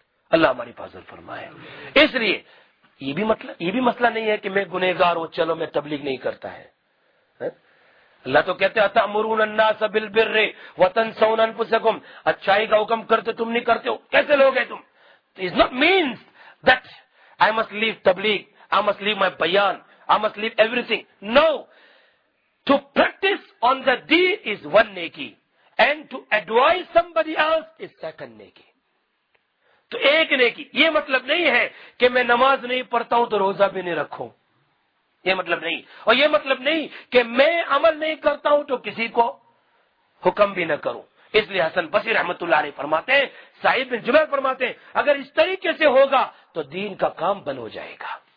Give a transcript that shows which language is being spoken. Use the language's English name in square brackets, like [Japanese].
[Urdu] اللہ ہماری حفاظت فرمائے. اس لیے یہ بھی مسئلہ نہیں ہے کہ میں گنہگار ہوں چلو میں تبلیغ نہیں کرتا ہے. اللہ تو کہتے ہیں [Arabic] اتامرون الناس بالبر وتنسون انفسکم, [Urdu] اچھائی کا حکم کرتے تم نہیں کرتے ہو, کیسے لوگ ہیں تم؟ [English] It not means that I must leave تبلیغ, I must leave my بیان, I must leave everything. No, to practice on the دین is one نیکی and to advise somebody else is second نیکی. [Urdu] تو ایک نیکی, یہ مطلب نہیں ہے کہ میں نماز نہیں پڑھتا ہوں تو روزہ بھی نہیں رکھوں, یہ مطلب نہیں. اور یہ مطلب نہیں کہ میں عمل نہیں کرتا ہوں تو کسی کو حکم بھی نہ کروں. اس لیے حسن بصری رحمت اللہ علیہ فرماتے ہیں, سعید بن جبیر فرماتے ہیں, اگر اس طریقے سے ہوگا تو دین کا کام بند ہو جائے گا.